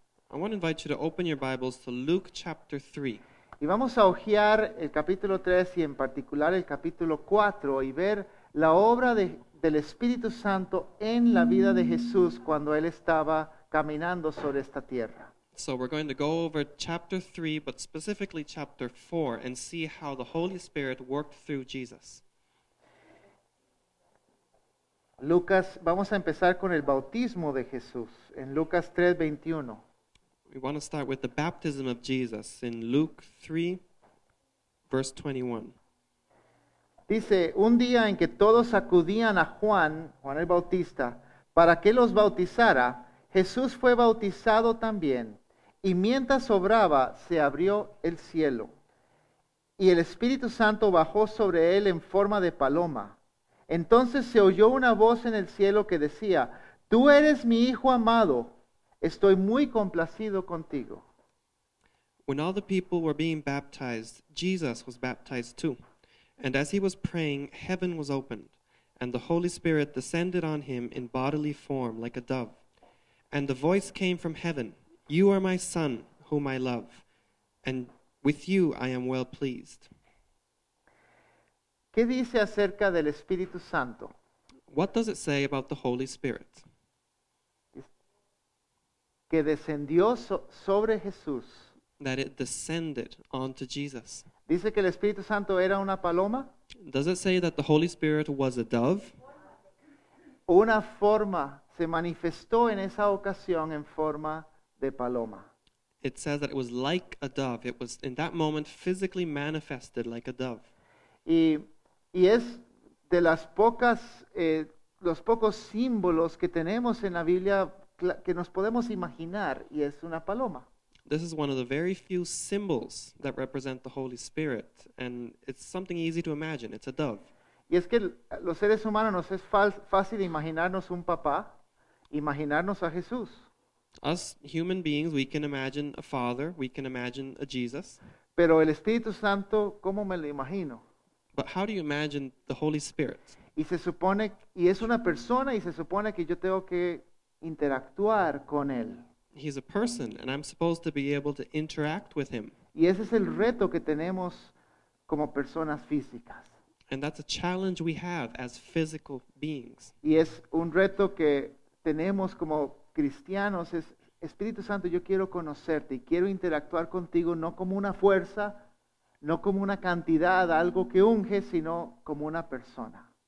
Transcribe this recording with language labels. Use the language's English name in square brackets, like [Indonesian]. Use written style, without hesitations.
[English] I want to invite you to open your Bibles to Luke chapter 3. [Spanish] Y vamos a hojear el capítulo 3 y en particular el capítulo 4 y ver la obra del Espíritu Santo en la vida de Jesús cuando Él estaba caminando sobre esta tierra. [English] So we're going to go over chapter 3, but specifically chapter 4, and see how the Holy Spirit worked through Jesus. [Spanish] Lucas, vamos a empezar con el bautismo de Jesús en Lucas 3:21. [English] We want to start with the baptism of Jesus in Luke 3, verse 21. [Spanish] Dice, un día en que todos acudían a Juan el Bautista, para que los bautizara, Jesús fue bautizado también. Y mientras obraba, se abrió el cielo. Y el Espíritu Santo bajó sobre él en forma de paloma. Entonces se oyó una voz en el cielo que decía, tú eres mi Hijo amado. Estoy muy complacido contigo. [English] When all the people were being baptized, Jesus was baptized too. And as he was praying, heaven was opened, and the Holy Spirit descended on him in bodily form like a dove. And the voice came from heaven, you are my son, whom I love, and with you I am well pleased. [Spanish] ¿Qué dice acerca del Espíritu Santo? [English] What does it say about the Holy Spirit? [Spanish] Que descendió sobre Jesús. [English] That it descended onto Jesus. [Spanish] Dice que el Espíritu Santo era una paloma. [English] Does it say that the Holy Spirit was a dove? [Spanish] Una forma se manifestó en esa ocasión en forma de paloma. [English] It says that it was like a dove. It was in that moment physically manifested like a dove. [Spanish] Y es de las pocas, los pocos símbolos que tenemos en la Biblia que nos podemos imaginar, y es una paloma. [English] This is one of the very few symbols that represent the Holy Spirit, and it's something easy to imagine. It's a dove. [Spanish] Y es que los seres humanos nos es fácil imaginarnos un papá, imaginarnos a Jesús. [English] Us human beings, we can imagine a father, we can imagine a Jesus. [Spanish] Pero el Espíritu Santo, ¿cómo me lo imagino? [English] But how do you imagine the Holy Spirit? [Spanish] Y se supone, y es una persona, y se supone que yo tengo que interactuar con él. [English] He's a person, and I'm supposed to be able to interact with him. [Spanish] Y ese es el reto que tenemos como personas físicas. [English] And that's a challenge we have as physical beings. [Spanish] Y es un reto que tenemos como cristianos, es Espíritu Santo, yo quiero conocerte y quiero interactuar contigo no como una fuerza, no como una cantidad, algo que unge, sino como una persona.